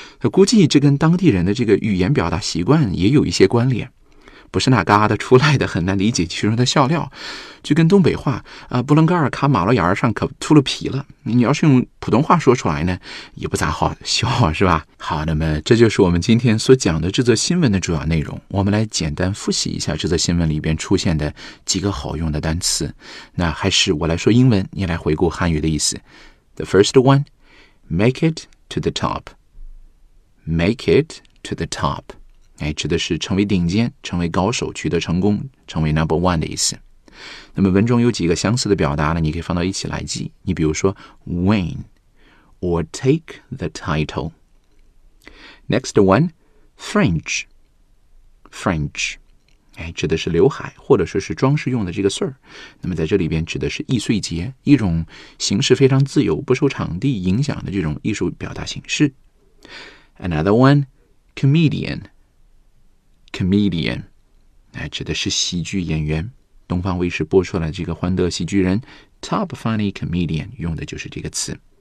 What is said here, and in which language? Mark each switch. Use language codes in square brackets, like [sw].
[zh] 估计这跟当地人的这个语言表达习惯也有一些关联，不是那嘎的出来的，很难理解其中的笑料，就跟东北话啊，布伦盖尔卡马路牙上可秃了皮了，你要是用普通话说出来呢也不咋好笑，是吧？好，那么这就是我们今天所讲的这则新闻的主要内容。我们来简单复习一下这则新闻里边出现的几个好用的单词。那还是我来说英文，你来回顾汉语的意思。 [en] The first one, make it to the top. Make it to the top， [zh] 指的是成为顶尖，成为高手，取得成功，成为 [en] number one [zh] 的意思。那么文中有几个相似的表达呢，你可以放到一起来记。你比如说 [en] win or take the title。 Next one, fringe. [zh] Fringe 指的是刘海或者说是装饰用的这个穗儿。那么在这里边指的是易碎节，一种形式非常自由不受场地影响的这种艺术表达形式。 Another one, comedian 来指的是喜剧演员，东方卫视播出来这个欢乐喜剧人 Top Funny Comedian 用的就是这个词。